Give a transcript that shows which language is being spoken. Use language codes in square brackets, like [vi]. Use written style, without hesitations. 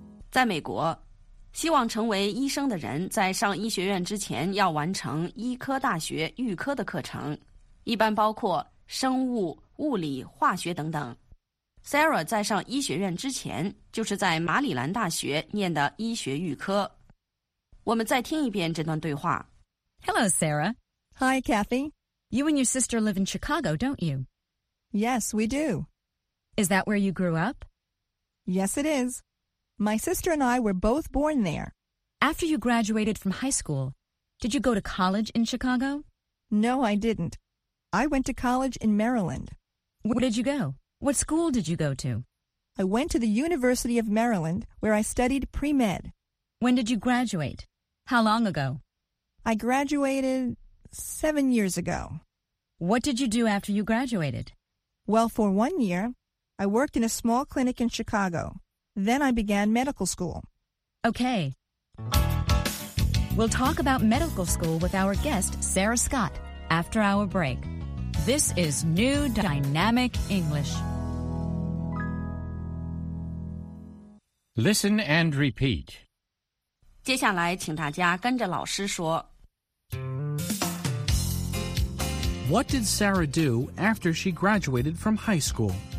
[zh] 在美国，希望成为医生的人在上医学院之前要完成医科大学预科的课程，一般包括生物、物理、化学等等。 Sarah 在上医学院之前就是在马里兰大学念的医学预科。我们再听一遍这段对话。 [en] Hello, Sarah. Hi, Kathy. You and your sister live in Chicago, don't you? Yes, we do. Is that where you grew up? Yes, it is. My sister and I were both born there. After you graduated from high school, did you go to college in Chicago? No, I didn't. I went to college in Maryland. Where did you go? What school did you go to? I went to the University of Maryland, where I studied pre-med. When did you graduate? How long ago? I graduated 7 years ago. What did you do after you graduated? Well, for 1 year, I worked in a small clinic in Chicago. Then I began medical school. Okay. We'll talk about medical school with our guest, Sarah Scott, after our break. This is New Dynamic English. Listen and repeat. [zh] 接下来请大家跟着老师说。 [en] What did Sarah do after she graduated from high school?